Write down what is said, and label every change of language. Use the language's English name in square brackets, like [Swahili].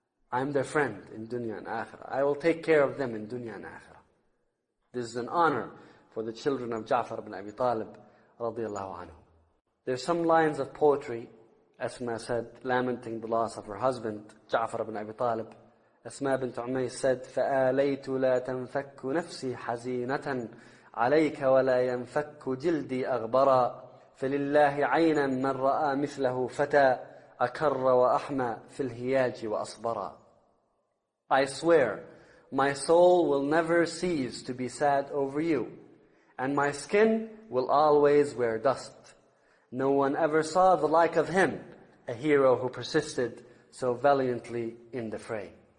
[English] I am their friend in dunya and akhirah. I will take care of them in dunya and akhirah. This is an honor for the children of Ja'far ibn Abi Talib radiallahu anhu. There's some lines of poetry, Asma said, lamenting the loss of her husband, Ja'far ibn Abi Talib. Asma bint Umayyah said, [Arabic] فَآلَيْتُ لَا تَنْفَكُّ نَفْسِي حَزِينَةً عَلَيْكَ وَلَا يَنْفَكُّ جِلْدِي أَغْبَرًا فَلِلَّهِ عَيْنًا مَنْ رَآ مِثْلَهُ فَتَى أَكَرَّ وَأَحْمَى فِي الْهِيَاجِ وَأَصْبَرًا. [English] I swear, my soul will never cease to be sad over you, and my skin will always wear dust. No one ever saw the like of him, a hero who persisted so valiantly in the fray.